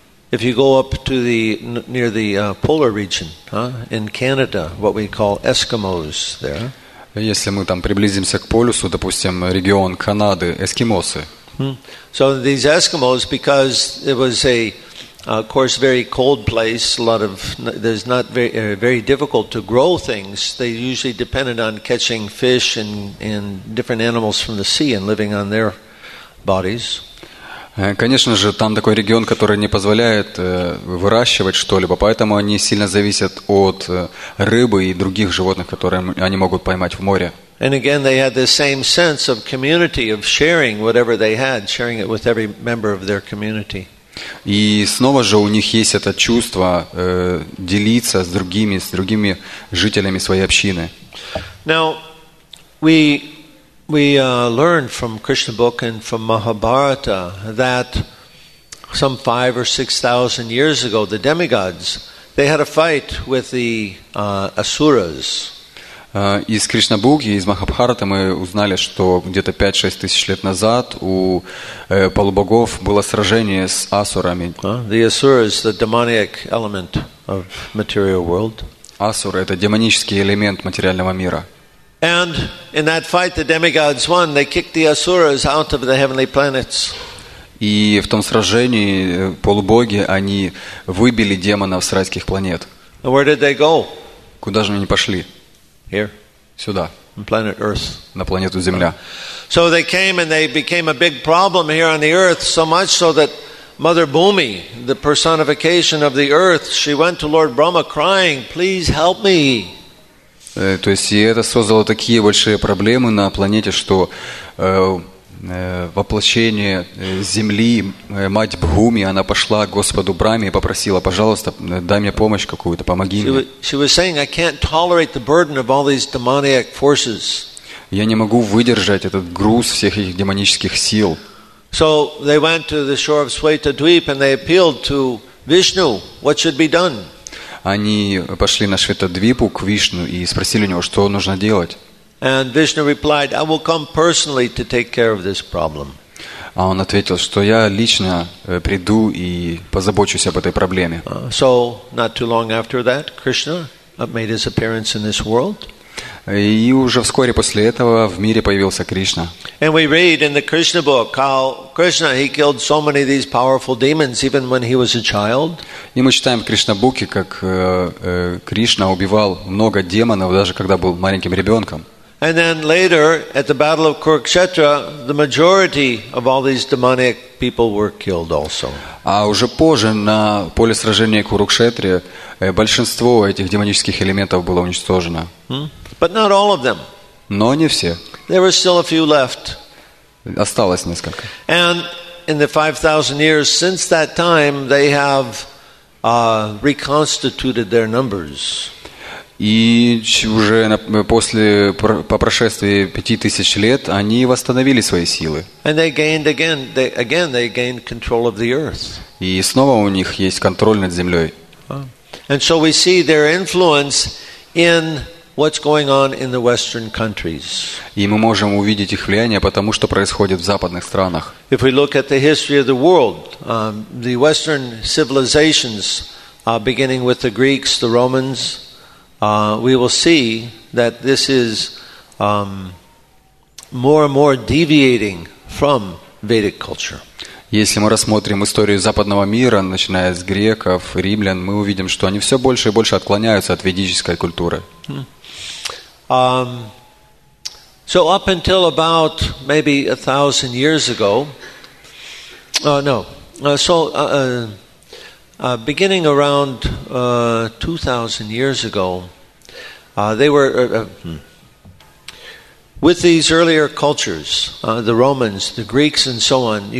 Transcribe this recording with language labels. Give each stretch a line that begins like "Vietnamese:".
English: If you go up to the near the polar region, in Canada, what we call Eskimos there.
Russian: Если мы там приблизимся к полюсу, допустим, регион Канады, эскимосы.
English: So these Eskimos, because it was a, of course, very cold place, a lot of, there's not very, very difficult to grow things. They usually depended on catching fish and different animals from the sea and living on their bodies.
Russian: Конечно же, там такой регион, который не позволяет выращивать что-либо, поэтому они сильно зависят от рыбы и других животных, которые они могут поймать в море.
English: And again, they had the same sense of community, of sharing whatever they had, sharing it with every member of their community.
Russian: И снова же у них есть это чувство делиться с другими жителями своей общины.
English: Now, we We learned from Krishna book and from Mahabharata that some 5,000 or 6,000 years ago, the demigods, they had a fight with the asuras.
Russian: Из Кришнабуги, из Махабхарата мы узнали, что где-то 5-6 тысяч лет назад у полубогов было сражение с асурами.
English: The asura is the demonic element of material world.
Russian: Асура – это демонический элемент материального мира.
English: And in that fight, the demigods won. They kicked the asuras out of the heavenly planets.
Russian: И в том сражении полубоги, они выбили демонов с райских планет.
English: Where did they go?
Russian: Куда же они пошли?
English: Here.
Russian: Сюда.
English: On planet Earth.
Russian: На планету Земля.
English: So they came and they became a big problem here on the Earth, so much so that Mother Bhumi, the personification of the Earth, she went to Lord Brahma crying, please help me.
Russian: То есть, и это создало такие большие проблемы на планете, что воплощение Земли, мать Бхуми, она пошла к Господу Брахме и попросила, пожалуйста, дай мне помощь какую-то, помоги мне.
English: She was saying, I can't tolerate the burden of all these demonic forces.
Russian: Я не могу выдержать этот груз всех этих демонических сил.
English: So they went to the shore of Swayta Dweep and they appealed to Vishnu, what should be done?
Russian: Они пошли на Шветадвипу к Вишну и спросили у него, что нужно делать.
English: And Vishnu replied, I will come personally to take care of this problem.
Russian: А он ответил, что я лично приду и позабочусь об этой проблеме.
English: So, not too long after that, Krishna made his appearance in this world.
Russian: И уже вскоре после этого в мире появился Кришна.
English: And we read in the Krishna book how Krishna, he killed so many of these powerful demons even when he was a child.
Russian: И мы читаем в Кришнабуке, как Кришна убивал много демонов, даже когда был маленьким ребенком.
English: And then later, at the battle of Kurukshetra, the majority of all these demonic people were killed also.
Russian: А уже позже, на поле сражения Курукшетре, большинство этих демонических элементов было уничтожено.
English: But not all of them.
Russian: Но не все.
English: There were still a few left.
Russian: Осталось несколько.
English: And in the 5,000 years since that time, they have reconstituted their numbers.
Russian: И уже после по прошествии 5,000 лет они восстановили свои силы.
English: And they gained again. They gained control of the earth.
Russian: И снова у них есть контроль над землей.
English: And so we see their influence in what's going on in the Western countries.
Russian: И мы можем увидеть их влияние, потому что происходит в западных странах.
English: If we look at the history of the world, the Western civilizations, beginning with the Greeks, the Romans, we will see that this is more and more deviating from Vedic culture.
Russian: Если мы рассмотрим историю западного мира, начиная с греков, римлян, мы увидим, что они все больше и больше отклоняются от ведической культуры.
English: So up until about maybe 1,000 years ago, beginning around 2,000 years ago, they were with these earlier cultures, the Romans, the Greeks, and so on.